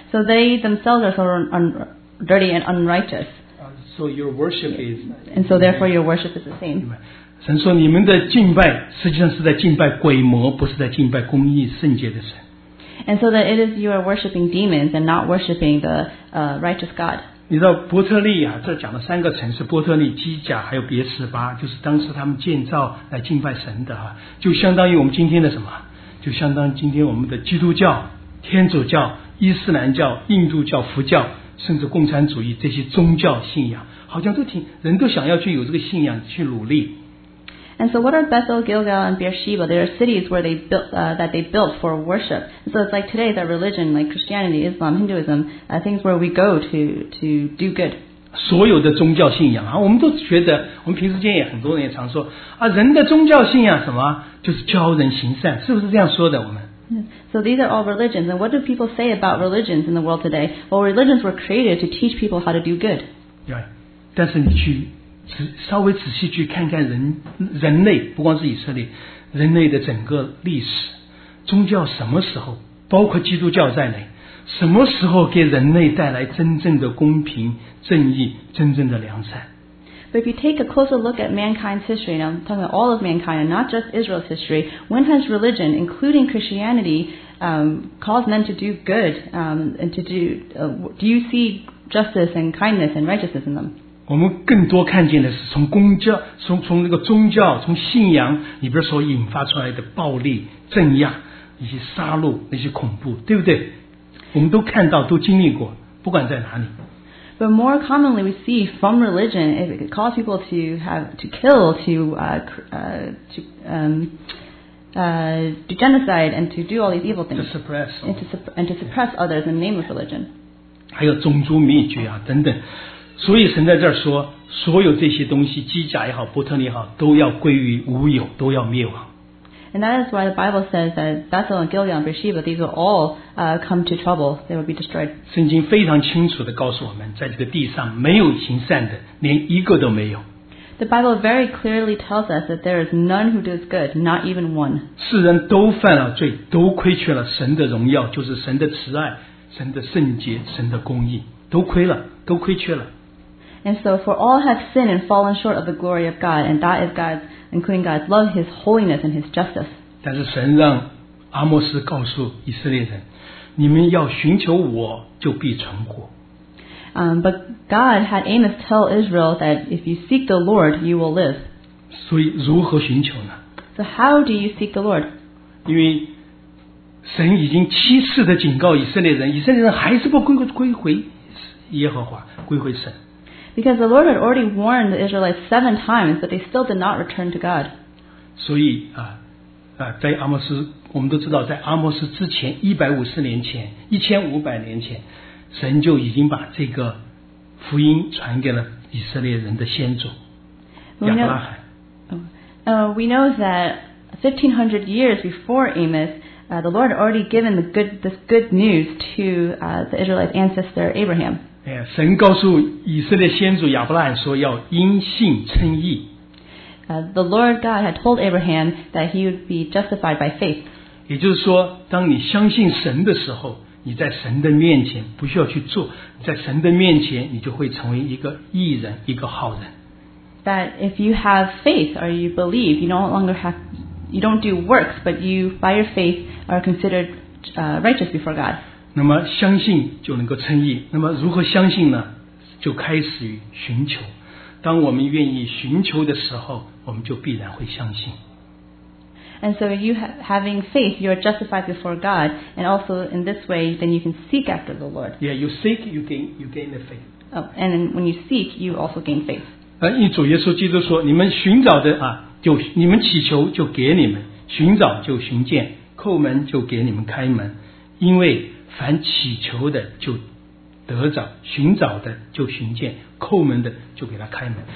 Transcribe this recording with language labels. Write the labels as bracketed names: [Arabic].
[English] So they themselves are so dirty and unrighteous. So your worship is. And so therefore your worship is the same. [Chinese] 神说你们的敬拜实际上是在敬拜鬼魔，不是在敬拜公义圣洁的神。 [English] And so that it is you are worshiping demons and not worshiping the righteous God. [Chinese] 你知道伯特利这讲了三个城市，伯特利、基甲还有别示巴，就是当时他们建造来敬拜神的就相当于我们今天的什么？就相当今天我们的基督教、天主教、伊斯兰教、印度教、佛教，甚至共产主义这些宗教信仰，好像都挺人都想要去有这个信仰去努力。 [English] And so, what are Bethel, Gilgal, and Beersheba? There are cities where they built that they built for worship. So it's like today, their religion, like Christianity, Islam, Hinduism, things where we go to do good. [Chinese] 所有的宗教信仰我们都觉得，我们平时间也很多人也常说人的宗教信仰什么？就是教人行善，是不是这样说的？我们。 [English] So these are all religions, and what do people say about religions in the world today? Well, religions were created to teach people how to do good. Right. [Chinese] 但是你去稍微仔细去看看人类，不光是以色列，人类的整个历史，宗教什么时候，包括基督教在内，什么时候给人类带来真正的公平、正义、真正的良善？ [English] But if you take a closer look at mankind's history, and I'm talking about all of mankind, and not just Israel's history, when has religion, including Christianity, cause men to do good and to do, do you see justice and kindness and righteousness in them? [Chinese] 我们更多看见的是从宗教 从那个宗教从信仰里边所引发出来的暴力镇压那些杀戮那些恐怖对不对我们都看到都经历过不管在哪里 [English] But more commonly we see from religion it causes people to have to kill to genocide and to do all these evil things to suppress and to suppress others in the name of religion [Chinese] 还有种族灭绝啊等等所以神在这儿说所有这些东西基甲也好伯特利也好都要归于无有都要灭亡 [English] And that is why the Bible says that Bethel and Gilead and Beersheba these will all come to trouble they will be destroyed [Chinese] 圣经非常清楚地告诉我们在这个地上没有行善的连一个都没有 [English] The Bible very clearly tells us that there is none who does good not even one [Chinese] 世人都犯了罪都亏缺了神的荣耀就是神的慈爱神的圣洁神的公义都亏了都亏缺了 [English] And so for all have sinned and fallen short of the glory of God, and that is God's, including God's love, His holiness, and His justice. [Chinese] 但是神让阿摩斯告诉以色列人，你们要寻求我，就必存活。 [English] But God had Amos tell Israel that if you seek the Lord, you will live. [Chinese] 所以如何寻求呢？ [English] So how do you seek the Lord? [Chinese] 因为神已经七次的警告以色列人，以色列人还是不归回耶和华，归回神。 [English] Because the Lord had already warned the Israelites seven times, but they still did not return to God. [Chinese] 所以啊啊，在阿摩斯，我们都知道，在阿摩斯之前1500年前，神就已经把这个福音传给了以色列人的先祖亚伯拉罕。 [English] We know that 1500 years before Amos, the Lord had already given this good news to the Israelite ancestor Abraham. [Chinese] 神告诉以色列先祖亚伯拉罕说要因信称义。 [English] The Lord God had told Abraham that he would be justified by faith. [Chinese] 也就是说，当你相信神的时候，你在神的面前不需要去做，在神的面前你就会成为一个义人，一个好人。 [English] That if you have faith or you believe, you no longer have, you don't do works, but you by your faith are considered righteous before God. [Chinese] 那么相信就能够称义那么如何相信呢就开始于寻求当我们愿意寻求的时候我们就必然会相信 [English] And so you having faith you are justified before God and also in this way then you can seek after the Lord Yeah, you seek, you gain the faith、 oh, And when you seek, you also gain faith [Chinese] 因为主耶稣基督说你们寻找的啊，就你们祈求就给你们寻找就寻见叩门就给你们开门因为凡祈求的就得着，寻找的就寻见，叩门的就给他开门。